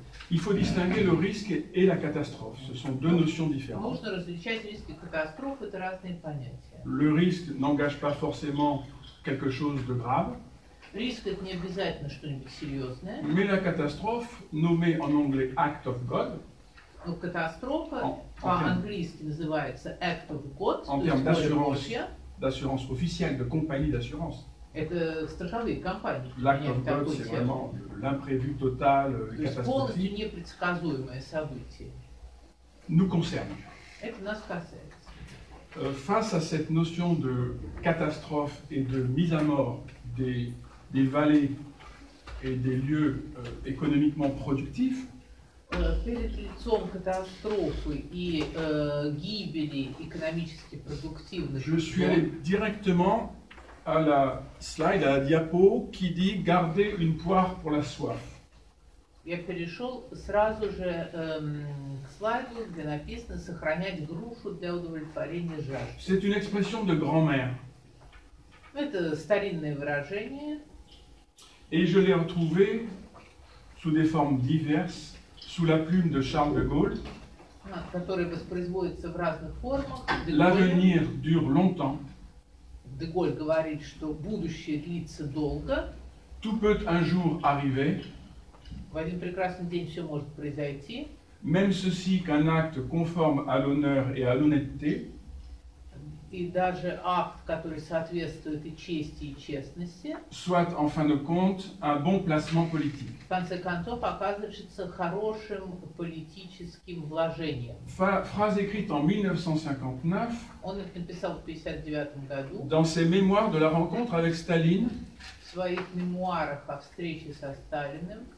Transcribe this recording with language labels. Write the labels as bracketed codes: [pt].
[fr] Il faut distinguer le risque et la catastrophe. Ce sont deux notions différentes. Le risque n'engage pas forcément quelque chose de grave. [ru] Риск это не обязательно что-нибудь серьезное. [fr] Mais la catastrophe, nommée en anglais act of God. [ru] Но катастрофа по-английски называется act of God. [fr] En termes d'assurance, d'assurance officielle, de compagnie d'assurance. [ru] Это страховые компании. [fr] L'act of God, c'est vraiment l'imprévu total, catastrophique. [ru] То есть полностью непредсказуемое событие. [fr] Nous concerne. [ru] Это нас касается. [fr] Face à cette notion de catastrophe et de mise à mort des vallées et des lieux économiquement productifs. [ru] Перед лицом катастрофы и гибели экономически продуктивных. [fr] Je suis allé directement à la slide, à la diapo qui dit garder une poire pour la soif. [ru] Я перешел сразу же к слайду, где написано сохранять грушу для удовлетворения жажды. [fr] C'est une expression de grand-mère. [ru] Это старинное выражение. [fr] Et je l'ai retrouvé sous des formes diverses, sous la plume de Charles de Gaulle. [ru] Который воспроизводится в разных формах. [fr] L'avenir dure longtemps. [ru] De Gaulle говорит, что будущее длится долго. [fr] Tout peut un jour arriver. [ru] В один прекрасный день все может произойти. [fr] Même ceci qu'un acte conforme à l'honneur et à l'honnêteté. [ru] И даже акт, который соответствует и чести, и честности. [fr] Soit, en fin de compte, un bon placement politique. [ru] В конце концов, оказывается хорошим политическим вложением. [fr] Phrase écrite en 1959. [ru] Он это написал в 1959 году. [fr] Dans ses mémoires de la rencontre avec Staline. [ru] В своих мемуарах о встрече со Сталиным.